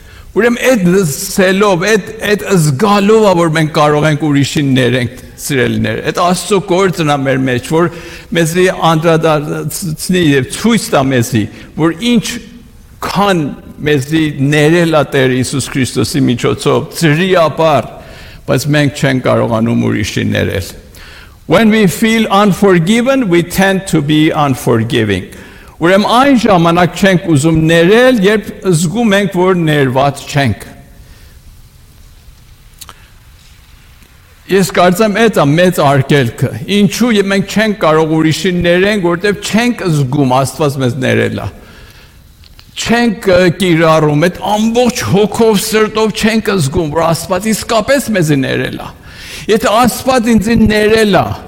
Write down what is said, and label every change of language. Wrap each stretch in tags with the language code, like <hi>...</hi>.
<hy>ուրեմն այդ սելով, այդ զգալով է, որ մենք կարող ենք ուրիշին ներենք սիրելներ, այդ Աստծո գործն է մեր մեջ, որ մեզի անդրադարձնի և ցույց տա մեզի, որ ինչ քան մեզի ներել է Տեր Իսուս Քրիստոսի միջոցով, ծրի ապար, բայց մենք չենք կարողանում ուրիշին ներել.</hy> <en>When we feel unforgiven, we tend to be unforgiving.</en> <hy>Ուրեմն այն ժամանակ չենք ուզում ներել, երբ զգում ենք, որ ներված չենք։ Ես կարծեմ այդ է մեծ արգելքը, ինչու մենք չենք կարող ուրիշին ներենք, որտև չենք զգում Աստված մեզ ներելա, չենք կիրառում, այդ ամբողջ հոգով սրտով չենք զգում, որ Աստված իսկապես մեզ ներելա, եթե Աստված ինձ ներելա,</hy>